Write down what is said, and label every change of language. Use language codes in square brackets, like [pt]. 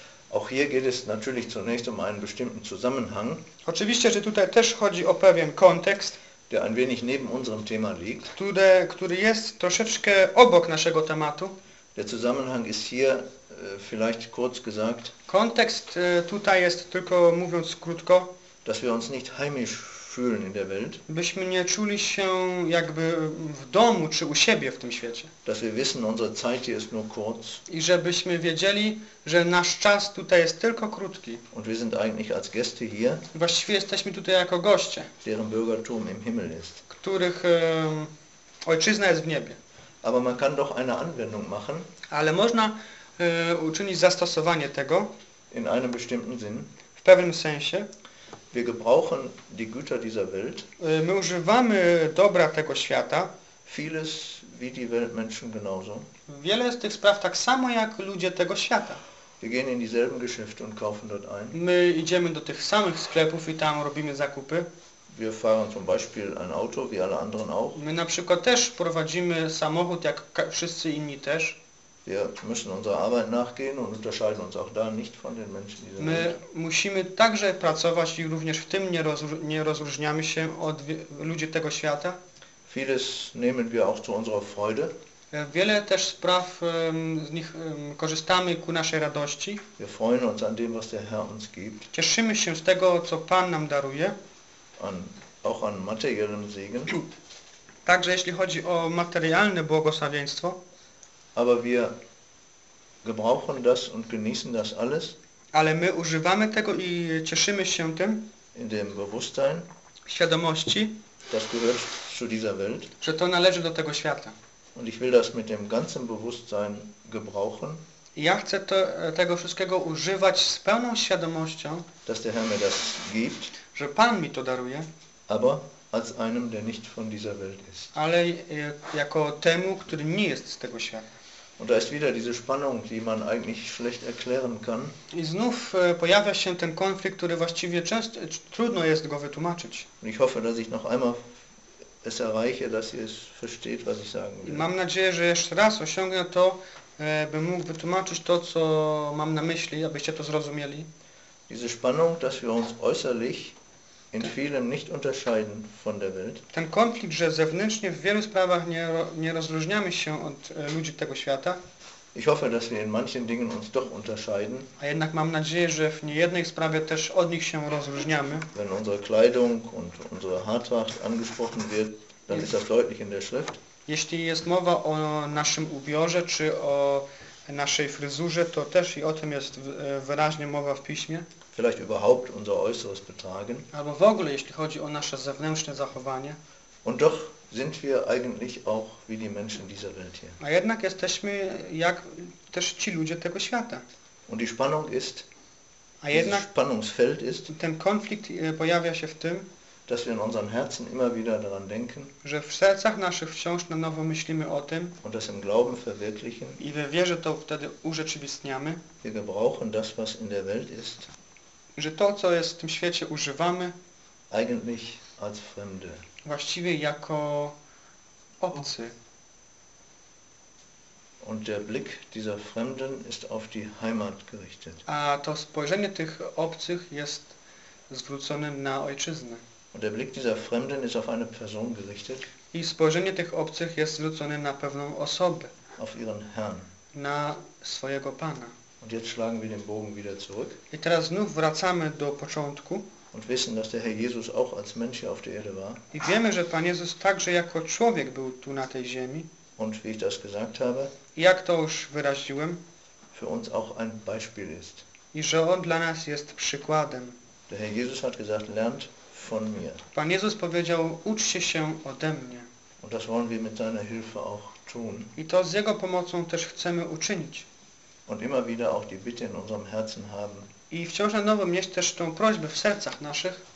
[de] Auch hier geht es natürlich zunächst um einen bestimmten Zusammenhang. [pl] Oczywiście, że tutaj też chodzi o pewien kontekst, [de] der ein wenig neben unserem Thema liegt. [pl] Który jest troszeczkę obok naszego tematu. [de] Der Zusammenhang ist hier vielleicht kurz gesagt. [pl] Kontekst tutaj jest tylko mówiąc krótko, [de] dass wir uns nicht heimisch fühlen in der Welt. [pl] Byśmy nie czuli się jakby w domu czy u siebie w tym świecie. [de] Dass wir wissen, unsere Zeit hier ist nur kurz. [pl] I żebyśmy wiedzieli, że nasz czas tutaj jest tylko krótki. [de] Und wir sind eigentlich als Gäste hier. [pl] Właściwie jesteśmy tutaj jako goście, [de] deren Bürgertum im Himmel ist. [pl] Których ojczyzna jest w niebie. [de] Aber man kann doch eine Anwendung machen. [pl] Ale można uczynić zastosowanie tego. [de] In einem bestimmten Sinn. [pl] W pewnym sensie. [de] Wir gebrauchen die Güter dieser Welt. [pl] My używamy dobra tego świata. [de] Vieles wie die Weltmenschen genauso. [pl] Wiele z tych spraw tak samo jak ludzie tego świata. [de] Wir gehen in dieselben Geschäfte und kaufen dort ein. [pl] My idziemy do tych samych sklepów i tam robimy zakupy. [de] Wir fahren zum Beispiel ein Auto, wie alle anderen auch. [pl] My na przykład też prowadzimy samochód, jak wszyscy inni też. [de] Wir müssen unserer Arbeit nachgehen und unterscheiden uns auch da nicht von den Menschen dieser [pl] Welt. My musimy także pracować i również w tym nie rozróżniamy się od ludzi tego świata. [de] Vieles nehmen wir auch zu unserer Freude. [pl] Wiele też spraw z nich korzystamy ku naszej radości. [de] Wir freuen uns an dem, was der Herr uns gibt. [pl] Cieszymy się z tego, co Pan nam daruje. [de] Auch an materiellem Segen. [pl] Także jeśli chodzi o materialne błogosławieństwo. [de] Aber wir gebrauchen das und genießen das alles. [pl] Ale my używamy tego i cieszymy się tym. [de] In dem Bewusstsein. [pl] Świadomości. [de] Das gehört zu dieser Welt. [pl] Że to należy do tego świata. [de] Und ich will das mit dem ganzen Bewusstsein gebrauchen. [pl] Ja chcę tego wszystkiego używać z pełną świadomością, [de] dass der Herr mir das gibt, [pl] że Pan mi to daruje, [de] aber als einem, der nicht von dieser Welt ist. [pl] Ale jako temu, który nie jest z tego świata. [de] Und da ist wieder diese Spannung, die man eigentlich schlecht erklären kann. [pl] I znów pojawia się ten konflikt, który właściwie często trudno jest go wytłumaczyć. [de] Und ich hoffe, dass ich noch einmal es erreiche, dass ihr es versteht, was ich sagen will. [pl] Mam nadzieję, że jeszcze raz osiągnę to, bym mógł wytłumaczyć to, co mam na myśli, abyście to zrozumieli. [de] Diese Spannung, dass wir uns äußerlich in vielem nicht unterscheiden von der Welt. [pl] Ten konflikt, że zewnętrznie w wielu sprawach nie rozróżniamy się od ludzi tego świata. [de] Ich hoffe, dass wir in manchen Dingen uns doch unterscheiden. [pl] A jednak mam nadzieję, że w niejednej sprawie też od nich się rozróżniamy. [de] Wenn unsere Kleidung und unsere Haartracht angesprochen wird, dann ist das deutlich in der Schrift. [pl] Jeśli jest mowa o naszym ubiorze czy o naszej fryzurze, to też i o tym jest wyraźnie mowa w piśmie. [de] Vielleicht überhaupt unser äußeres Betragen. [pl] Albo w ogóle, jeśli chodzi o nasze zewnętrzne zachowanie. [de] Und doch sind wir eigentlich auch wie die Menschen dieser Welt hier. [pl] A jednak jesteśmy jak też ci ludzie tego świata. [de] Und die Spannung ist, [pl] a jednak [de] Spannungsfeld ist, [pl] ten konflikt pojawia się w tym, [de] dass wir in unseren Herzen immer wieder daran denken, [pl] że w sercach naszych wciąż na nowo myślimy o tym [de] und das im Glauben verwirklichen, [pl] i we wierze to wtedy urzeczywistniamy, [de] wir gebrauchen das, was in der Welt ist, [pl] że to, co jest w tym świecie, używamy [de] eigentlich als Fremde. [pl] Właściwie jako obcy. [de] Und der Blick dieser Fremden ist auf die Heimat gerichtet. [pl] A to spojrzenie tych obcych jest zwrócone na ojczyznę. [de] Und der Blick dieser Fremden ist auf eine Person gerichtet. [pl] I spojrzenie tych obcych jest zwrócone na pewną osobę. [de] Auf ihren Herrn. [pl] Na swojego Pana. [de] Und jetzt schlagen wir den Bogen wieder zurück. [pl] I teraz znów wracamy do początku. [de] Und wissen, dass der Herr Jesus auch als Mensch hier auf der Erde war. [pl] I wiemy, że Pan Jezus także jako człowiek był tu na tej ziemi. [de] Und wie ich das gesagt habe, [pl] i jak to już wyraziłem, [de] für uns auch ein Beispiel ist. [pl] I że On dla nas jest przykładem. [de] Der Herr Jesus hat gesagt, lernt von mir. [pl] Pan Jezus powiedział, uczcie się ode mnie. [de] Und das wollen wir mit seiner Hilfe auch tun. [pl] I to z Jego pomocą też chcemy uczynić. [de] Und immer wieder auch die Bitte in unserem Herzen haben. [pl] I wciąż na nowo mieć też tą prośbę w sercach naszych.